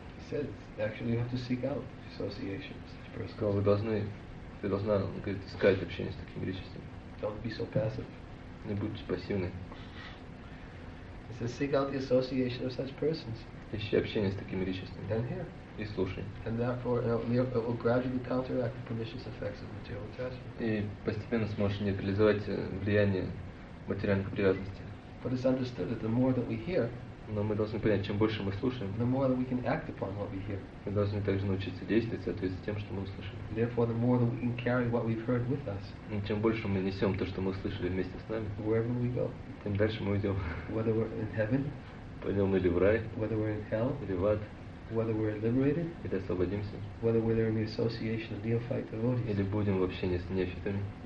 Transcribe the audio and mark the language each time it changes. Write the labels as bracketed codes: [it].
[en] He says, actually you have to seek out association with such persons. [ru] Сказал, вы должны, он говорит, искать общение с таким величеством. [en] Don't be so passive. [ru] Не будьте пассивны. [en] He says, seek out the association of such persons. [ru] Ищи общение с таким величеством. [en] And here. [ru] И слушай. [en] And therefore, it will gradually counteract the pernicious effects of material attachment. [ru] И постепенно сможешь нейтрализовать влияние материальных привязанностей. [en] But it's understood that the more that we hear, [ru] но мы должны понять, чем больше мы слушаем, [en] the more that we can act upon what we hear. [ru] Мы должны также научиться действовать в соответствии с тем, что мы услышали. [en] Therefore, the more that we can carry what we've heard with us. [ru] И чем больше мы несем то, что мы услышали вместе с нами. [en] Wherever we go. [ru] Тем дальше мы идем. [en] Whether we're in heaven. [ru] Пойдем или в рай. [en] Whether we're in hell. [ru] Или в ад. [en] Whether we're liberated, whether we're in the association of neophyte devotees, [ru] или будем в общении с неофитами.